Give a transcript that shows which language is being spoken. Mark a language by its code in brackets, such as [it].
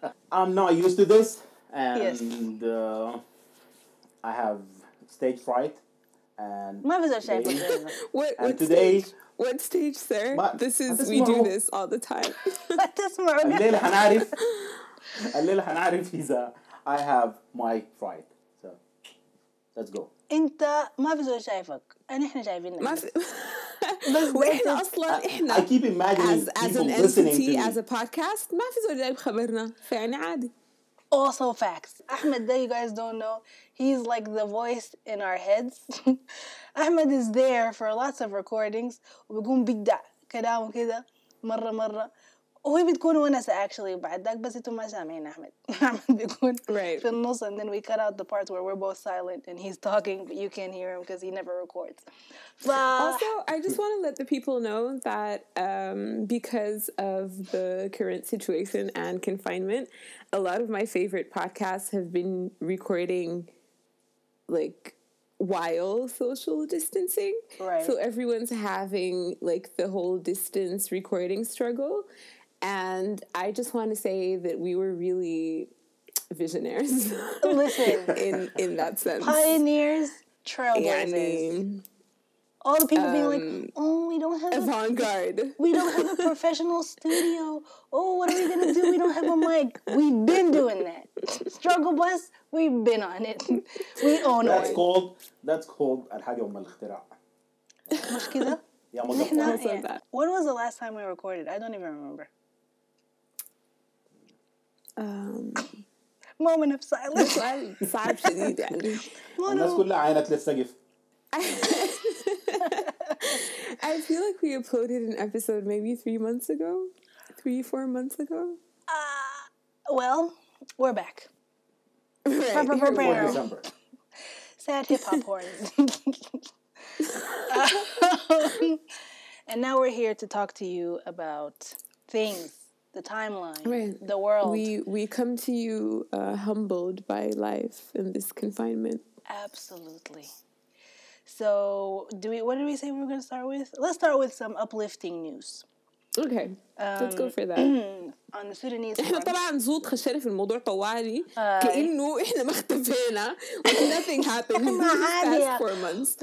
[en] I'm not used to this, and I have stage fright. And what stage, sir? This is we do this all the time. I have my fright, so let's go. [ar] انت ما في زول شايفك انا احنا شايفينك ما في واحنا اصلا احنا [en] I keep imagining as an entity as a podcast [ar] ما في زول جايب خبرنا فيعني عادي. [en] Also facts. Ahmed, that you guys don't know, he's like the voice in our heads. Ahmed is there for lots of recordings [ar] وبيقوم بيدع كلام كده مرة وهي بتكون ونسة [en] actually [ar] بعدك بس انتم ما سامعين أحمد. أحمد بيكون في النص [en] and then we cut out the parts where we're both silent and he's talking but you can't hear him because he never records. Also, I just want to let the people know that because of the current situation and confinement, a lot of my favorite podcasts have been recording like while social distancing. Right. So everyone's having like the whole distance recording struggle. And I just want to say that we were really visionaries. Listen. In that sense. Pioneers, trailblazers. Yeah, all the people being like, oh, we don't have avant-garde. We don't have a professional studio. Oh, what are we going to do? We don't have a mic. We've been doing that. Struggle Bus, we've been on it. We own it. That's called [ar] الحاجة أم الاختراع. مش كده؟ [en] Yeah. When was the last time we recorded? I don't even remember. Moment of silence. I feel like we uploaded an episode maybe 3 months ago. 3-4 months ago. Well, we're back. Right. December. Sad hip hop horn. And now we're here to talk to you about things. The timeline, right. The world. We come to you humbled by life in this confinement. Absolutely. So, what did we say we were going to start with? Let's start with some uplifting news. Okay, let's go for that. On the Sudanese front. [ar] احنا طبعا زود خشينا في الموضوع طوالي كأنه احنا ما اختفينا. [en] Like nothing happened in the past 4 months.